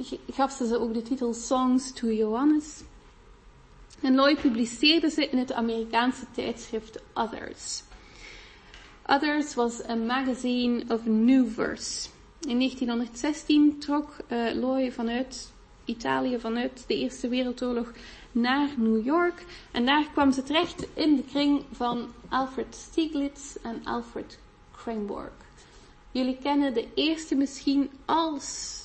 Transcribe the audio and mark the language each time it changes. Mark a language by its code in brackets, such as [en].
[nl] Gaf ze ook de titel Songs to Johannes. En Loy publiceerde ze in het Amerikaanse tijdschrift Others. [en] Others was a magazine of new verse. [nl] In 1916 trok Loy vanuit Italië, vanuit de Eerste Wereldoorlog, naar New York. En daar kwam ze terecht in de kring van Alfred Stieglitz en Alfred Kreimborg. Jullie kennen de eerste misschien als...